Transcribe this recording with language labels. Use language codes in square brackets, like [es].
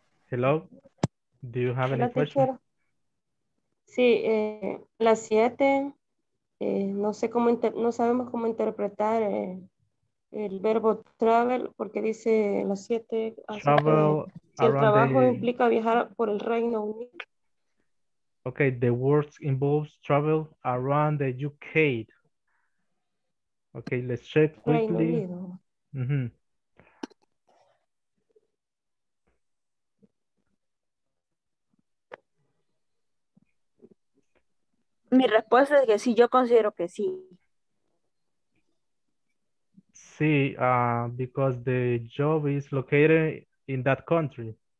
[en] Hello, do you have any questions? [es] Sí, las 7, no sabemos cómo interpretar el verbo travel, porque dice las 7. [en] Travel. [es] Si el trabajo implica viajar por el Reino Unido. [en] Okay, the words involves travel around the UK. Okay, let's check quickly. Mm-hmm. [es] Mi respuesta es que sí, yo considero que sí. [en] see, because the job is located in that country.